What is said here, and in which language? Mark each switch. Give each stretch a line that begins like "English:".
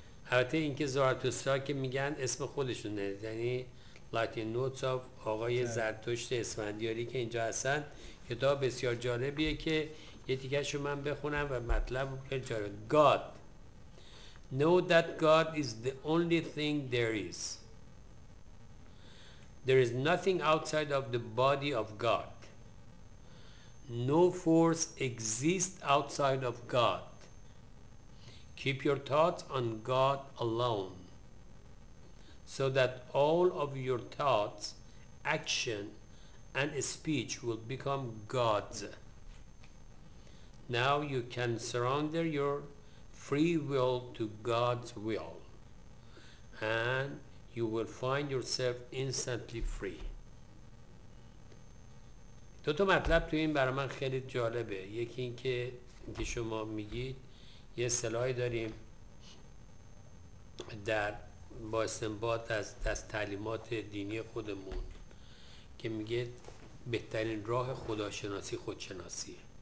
Persian: البته اینکه زرتشت که میگن اسم خودشونه، یعنی Lightning Notes of آقای زرتشت اسفندیاری که اینجا هستن. کتاب بسیار جالبیه که یه تیکش رو من بخونم و مطلب خیلی جالب.
English: God: know that God is the only thing there is. There is nothing outside of the body of God. No force exists outside of God. Keep your thoughts on God alone, so that all of your thoughts, action, and speech will become God's. Now you can surrender your free will to God's will and you will find yourself instantly free.
Persian: دو تا مطلب تو این برای من خیلی جالبه. یکی این که شما میگید یه اصطلاحی داریم در با استنباط از تعلیمات دینی خودمون که میگه بهترین راه خداشناسی خودشناسیه.